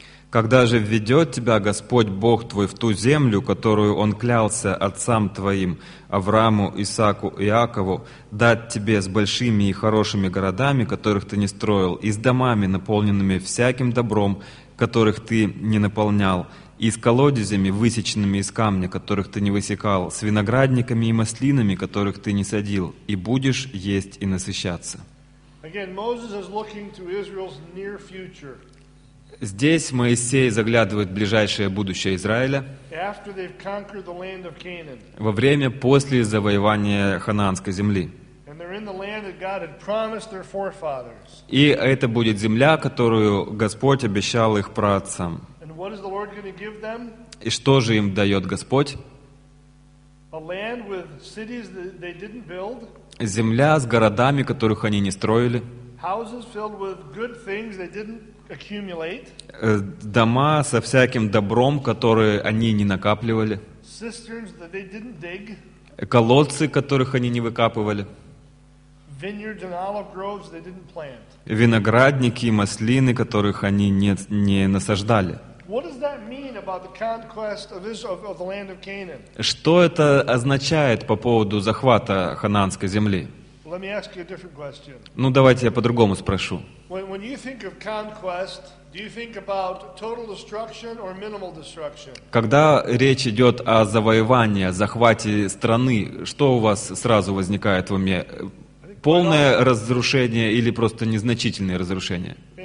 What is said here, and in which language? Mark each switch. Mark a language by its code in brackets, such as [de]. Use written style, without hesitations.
[ru] «Когда же введет тебя Господь Бог твой в ту землю, которую Он клялся отцам твоим, Аврааму, Исааку и Иакову, дать тебе с большими и хорошими городами, которых ты не строил, и с домами, наполненными всяким добром, которых ты не наполнял, и с колодезями, высеченными из камня, которых ты не высекал, с виноградниками и маслинами, которых ты не садил, и будешь есть и насыщаться». [en] Again, Moses is looking to Israel's near future. [ru] Здесь Моисей заглядывает в ближайшее будущее Израиля [en] after they've conquered the land of Canaan. [ru] Во время после завоевания Ханаанской земли. [en] And they're in the land that God had promised their forefathers. [ru] И это будет земля, которую Господь обещал их праотцам. [en] What is the Lord going to give them? [ru] И что же им дает Господь? [en] A land with cities that they didn't build. [ru] Земля с городами, которых они не строили. [en] Houses filled with good things they didn't accumulate. [ru] Дома со всяким добром, которые они не накапливали. [en] Cisterns that they didn't dig. [ru] Колодцы, которых они не выкапывали. [en] Vineyards and olive groves they didn't plant. [ru] Виноградники и маслины, которых они не насаждали. [en] What does that mean about the conquest of Israel, of the land of Canaan? [ru] Что это означает по поводу захвата Ханаанской земли? [en] Let me ask you a different question. [ru] Ну давайте я по-другому спрошу. [en] When you think of conquest, do you think about total destruction or minimal destruction? [ru] Когда речь идет о завоевании, о захвате страны, что у вас сразу возникает в уме? Полное разрушение или просто незначительное разрушение?